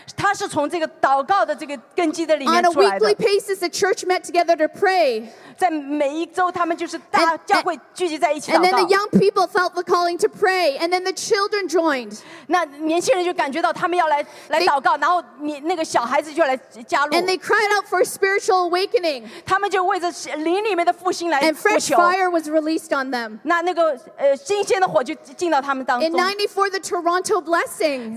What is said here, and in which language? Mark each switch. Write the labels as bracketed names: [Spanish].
[Chinese] 它是从这个祷告的这个根基的里面出来的。 [English] On a weekly basis, the church met together to pray. [Chinese] 在每一周他们就是大教会聚集在一起祷告。 [English] And then the young people felt the calling to pray. And then the children joined. [Chinese] 那年轻人就感觉到他们要来祷告，然后那个小孩子就来加入。 [English] And they cried out for spiritual awakening. [Chinese] 他们就为着灵里面的复兴。 [English] And fresh fire was released on them. [Chinese] 那个新鲜的火就进到他们当中。 [English] In 94, the Toronto blessing.